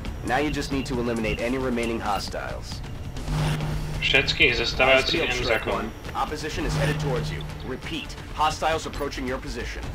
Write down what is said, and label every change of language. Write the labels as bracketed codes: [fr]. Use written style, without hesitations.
[en] Now you just need to eliminate any remaining hostiles. [sk] Všetkých zostávajúcich emzakov. [en] Opposition is headed towards you. Repeat. Hostiles approaching your position.